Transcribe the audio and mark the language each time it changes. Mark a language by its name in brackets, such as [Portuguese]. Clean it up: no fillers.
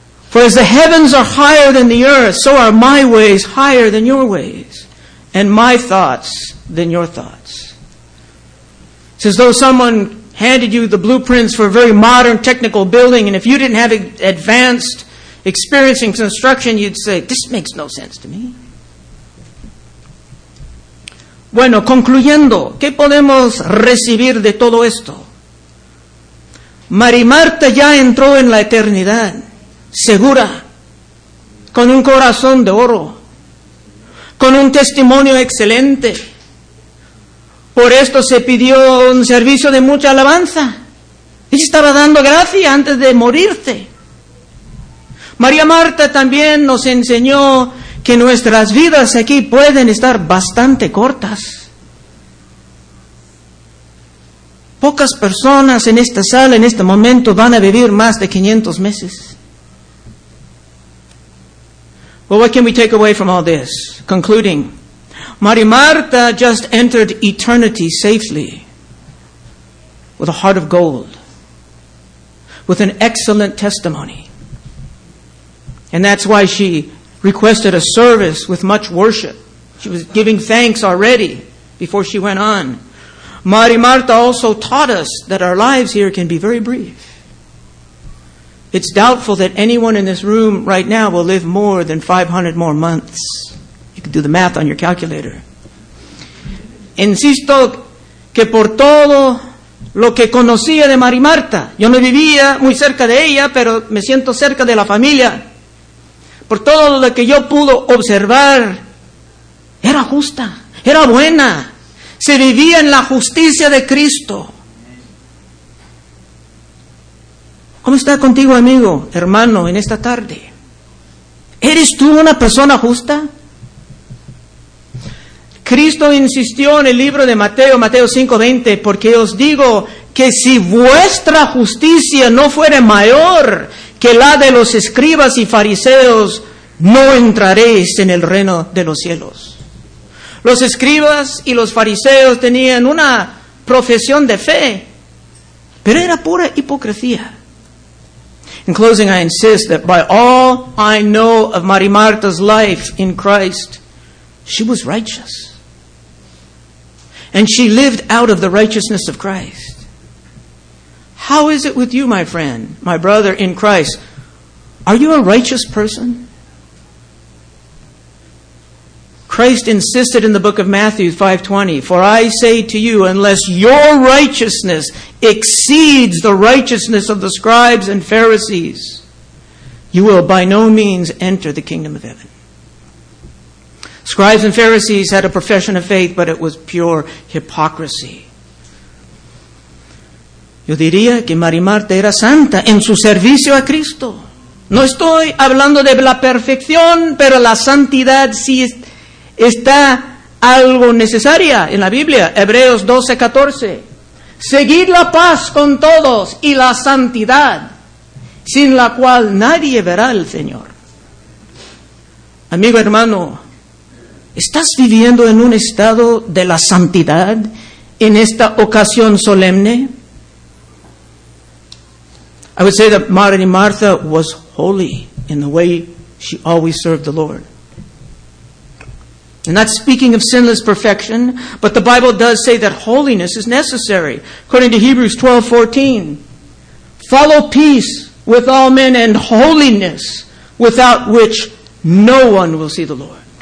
[English] "For as the heavens are higher than the earth, so are my ways higher than your ways, and my thoughts than your thoughts." It's as though someone handed you the blueprints for a very modern technical building, and if you didn't have advanced experience in construction, you'd say, "This makes no sense to me." [Spanish] Bueno, concluyendo, ¿qué podemos recibir de todo esto? Mary Marta ya entró en la eternidad, segura, con un corazón de oro, con un testimonio excelente. Por esto se pidió un servicio de mucha alabanza. Ella estaba dando gracia antes de morirse. María Marta también nos enseñó que nuestras vidas aquí pueden estar bastante cortas. Pocas personas en esta sala en este momento van a vivir más de 500 meses. [English] Well, what can we take away from all this? Concluding, Mary Marta just entered eternity safely with a heart of gold, with an excellent testimony. And that's why she requested a service with much worship. She was giving thanks already before she went on. Mary Marta also taught us that our lives here can be very brief. It's doubtful that anyone in this room right now will live more than 500 more months. You can do the math on your calculator. [Spanish] Insisto que por todo lo que conocía de Mary Marta, yo no vivía muy cerca de ella, pero me siento cerca de la familia. Por todo lo que yo pudo observar, era justa, era buena. Se vivía en la justicia de Cristo. ¿Cómo está contigo, amigo, hermano, en esta tarde? ¿Eres tú una persona justa? Cristo insistió en el libro de Mateo, Mateo 5:20, porque os digo que si vuestra justicia no fuere mayor que la de los escribas y fariseos, no entraréis en el reino de los cielos. Los escribas y los fariseos tenían una profesión de fe, pero era pura hipocresía. [English] In closing, I insist that by all I know of Mary Marta's life in Christ, she was righteous. And she lived out of the righteousness of Christ. How is it with you, my friend, my brother in Christ? Are you a righteous person? Christ insisted in the book of Matthew 5:20, "For I say to you, unless your righteousness exceeds the righteousness of the scribes and Pharisees, you will by no means enter the kingdom of heaven." Scribes and Pharisees had a profession of faith, but it was pure hypocrisy. [Spanish] Yo diría que Mary Marta era santa en su servicio a Cristo. No estoy hablando de la perfección, pero la santidad sí está algo necesaria en la Biblia. Hebreos 12:14. "Seguid la paz con todos y la santidad, sin la cual nadie verá al Señor." Amigo, hermano, ¿estás viviendo en un estado de la santidad en esta ocasión solemne? [English] I would say that Mary Martha was holy in the way she always served the Lord. And that's speaking of sinless perfection, but the Bible does say that holiness is necessary. According to Hebrews 12:14, "Follow peace with all men and holiness, without which no one will see the Lord."